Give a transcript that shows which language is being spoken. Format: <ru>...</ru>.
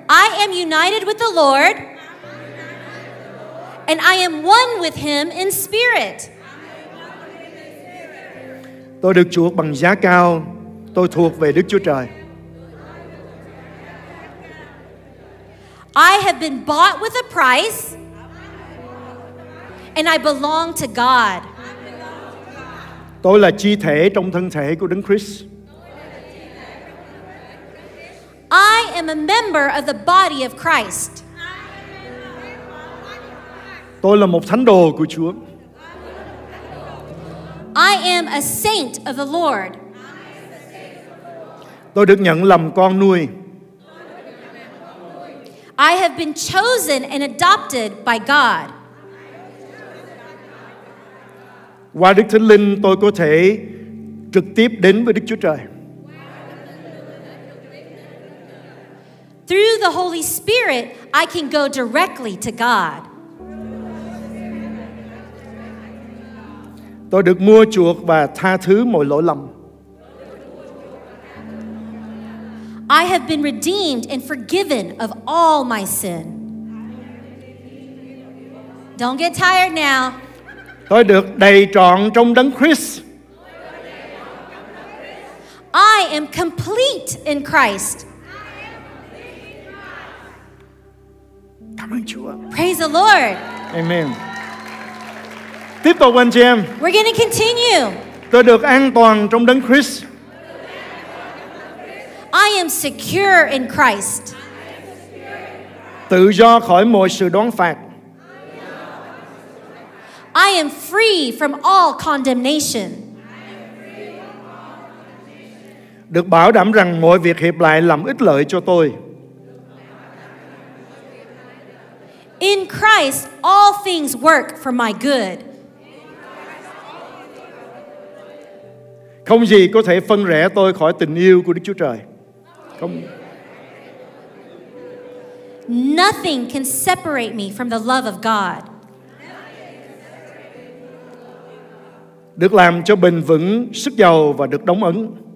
<en>I am united with the Lord, and I am one with Him in spirit.</en> <vi>Tôi được chuộc bằng giá cao. Tôi thuộc về Đức Chúa Trời.</vi> <en>I have been bought with a price, and I belong to God.</en> <vi>Tôi là chi thể trong thân thể của Đấng Christ.</vi> <en>I am a member of the body of Christ.</en> <vi>Tôi là một thánh đồ của Chúa.</vi> <en>I am a saint of the Lord.</en> <vi>Tôi được nhận làm con nuôi.</vi> <en>I have been chosen and adopted by God.</en> <vi>Qua Đức Thánh Linh, tôi có thể trực tiếp đến với Đức Chúa Trời.</vi> <en>Through the Holy Spirit, I can go directly to God.</en> <vi>Tôi được mua chuộc và tha thứ mọi lỗi lầm.</vi> <en>I have been redeemed and forgiven of all my sin. Don't get tired now.</en> <vi>Tôi được đầy trọn trong Đấng Christ.</vi> <en>I am complete in Christ.</en> <vi>Cảm ơn Chúa.</vi> <en>Praise the Lord. Amen.</en> <vi>Tiếp tục anh chị em.</vi> <en>We're going to continue.</en> <vi>Tôi được an toàn trong Đấng Christ.</vi> <en>I am secure in Christ.</en> <vi>Tự do khỏi mọi sự đoán phạt.</vi> <en>I am free from all condemnation.</en> <vi>Được bảo đảm rằng mọi việc hiệp lại làm ích lợi cho tôi.</vi> <en>In Christ, all things work for my good.</en> <vi>Không gì có thể phân rẽ tôi khỏi tình yêu của Đức Chúa Trời. Không.</vi> <en>Nothing can separate me from the love of God.</en> <vi>Được làm cho bền vững, sức giàu và được đóng ấn.</vi>